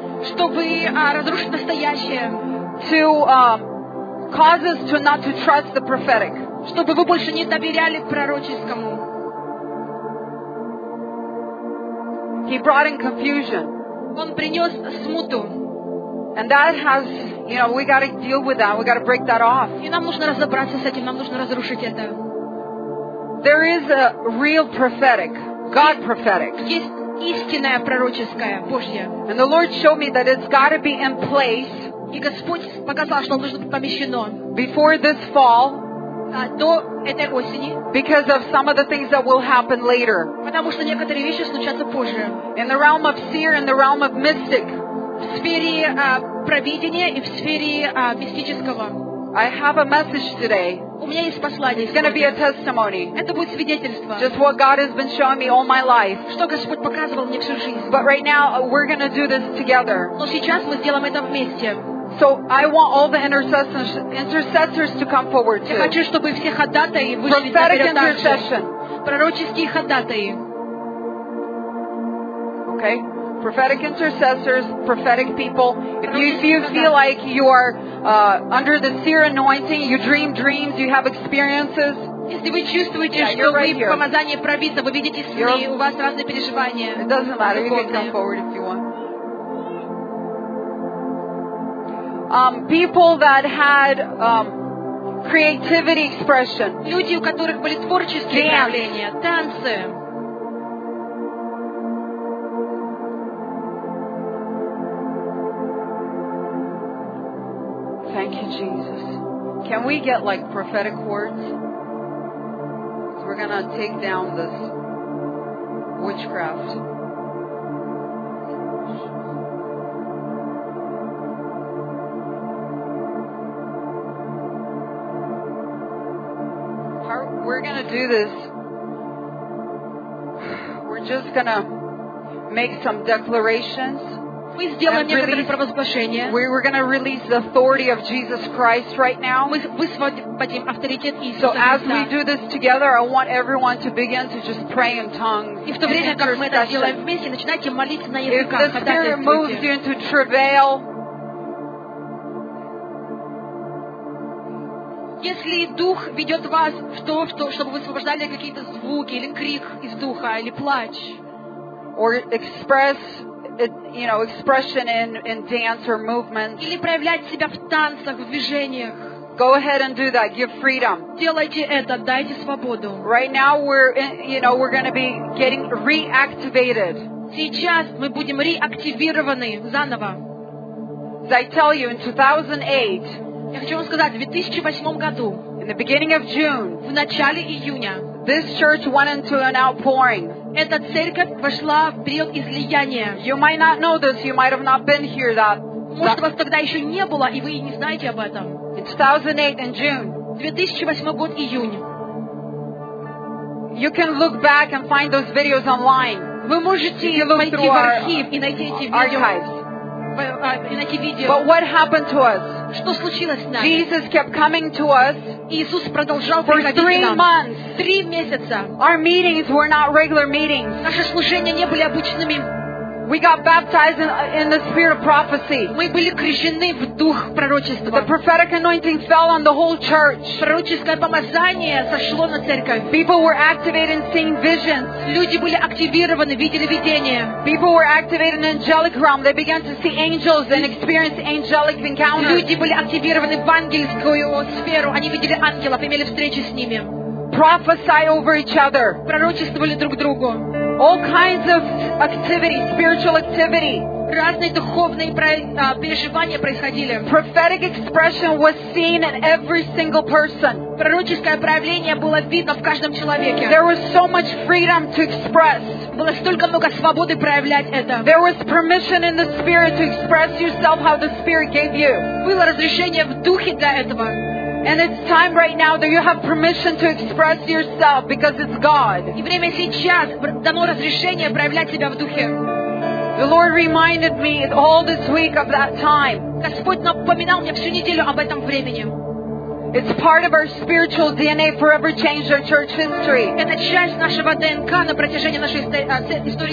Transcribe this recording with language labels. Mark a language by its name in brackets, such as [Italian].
[Russian] Чтобы разрушить настоящее. [English] To cause us to not to trust the prophetic. [Russian] Чтобы вы больше не доверяли пророческому. [English] He brought in confusion. [Russian] Он принес смуту. [English] And that has, you know, we got to deal with that. We got to break that off. [Russian] И нам нужно разобраться с этим. Нам нужно разрушить это. [English] There is a real prophetic, God prophetic. [Russian] Истинное пророческое Божье. [English] And the Lord showed me that it's got to be in place. [Russian] И Господь показал, что оно должно быть помещено. [English] Before this fall. [Russian] До этой осени. [English] Because of some of the things that will happen later. [Russian] Потому что некоторые вещи случатся позже. [English] In the realm of seer, in the realm of mystic. [Russian] В сфере провидения и в сфере мистического. [English] I have a message today. [Russian] У меня есть послание. [English] It's going to be a testimony. [Russian] Это будет свидетельство. [English] Just what God has been showing me all my life. [Russian] Что Господь показывал мне всю жизнь. [English] But right now we're going to do this together. [Russian] Но сейчас мы сделаем это вместе. [English] So I want all the intercessors to come forward too. [Russian] Я хочу, чтобы все ходатаи вышли на перед нами. [English] Prophetic intercession. [Russian] Пророческие ходатаи. [English] Okay. Prophetic intercessors, prophetic people. If you feel like you are under the seer anointing, you dream dreams, you have experiences. [Russian] Если вы чувствуете, что вы помазание пробито, вы видите сны, у вас разные переживания. [English] It doesn't matter. You can come forward if you want. People that had creativity expression. [Russian] Люди, у которых были творческие проявления, танцы. [English] Thank you, Jesus. Can we get like prophetic words? we're going to take down this witchcraft. We're going to do this. We're just going to make some declarations. [Russian] Мы сделаем некоторые провозглашения. [English] We're going to release the authority of Jesus Christ right now. [Russian] Мы высвободим авторитет Иисуса Христа. [English] So as we do this together, I want everyone to begin to just pray in tongues. [Russian] И в то время, как мы это делаем вместе, начинайте молиться на языках. [English] If the Spirit moves you into travail, [Russian] если Дух ведет вас в то, чтобы вы высвобождали какие-то звуки или крик из Духа, или плач, [English] or express, you know, expression in dance or movement, [Russian] или проявлять себя в танцах, в движениях, [English] go ahead and do that. Give freedom. [Russian] Делайте это, дайте свободу. [English] Right now we're going to be getting reactivated. [Russian] Сейчас мы будем реактивированы заново. [English] As I tell you, in 2008, [Russian] я хочу вам сказать, в 2008 году, [English] in the beginning of June, [Russian] в начале июня, [English] this church went into an outpouring. [Russian] Эта церковь вошла в период излияния. [English] You might not know this, you might have not been here that. [Russian] Может, вас тогда еще не было, и вы не знаете об этом. [English] In 2008 in June. [Russian] 2008 год, июнь. [English] You can look back and find those videos online. [Russian] Вы можете пойти в архив и найти эти видео. Видео. [English] But what happened to us? [Russian] Что случилось с нами? [English] Jesus kept coming to us. [Russian] Иисус продолжал приходить нам. [English] For 3 months. [Russian] 3 месяца. [English] Our meetings were not regular meetings. [Russian] Наши служения не были обычными. [English] We got baptized in the spirit of prophecy. [Russian] Мы были крещены в дух пророчества. [English] The prophetic anointing fell on the whole church. [Russian] Пророческое помазание сошло на церковь. [English] People were activated and seeing visions. [Russian] Люди были активированы, видели видения. [English] People were activated in the angelic realm. They began to see angels and experience angelic encounters. [Russian] Люди были активированы в ангельскую сферу. Они видели ангелов, имели встречи с ними. [English] Prophesy over each other. [Russian] Пророчествовали друг другу. [English] All kinds of activity, spiritual activity. [Russian] Разные духовные переживания происходили. [English] Prophetic expression was seen in every single person. [Russian] Пророческое проявление было видно в каждом человеке. [English] There was so much freedom to express. [Russian] Было столько много свободы проявлять это. [English] There was permission in the spirit to express yourself how the spirit gave you. [Russian] Было разрешение в духе для этого. [English] And it's time right now that you have permission to express yourself because it's God. [Russian] И время сейчас, дано разрешение проявлять себя в духе. [English] The Lord reminded me all this week of that time. [Russian] Господь напоминал мне всю неделю об этом времени. [English] It's part of our spiritual DNA forever changed our church history. [Russian] Это часть нашего ДНК на протяжении нашей истории.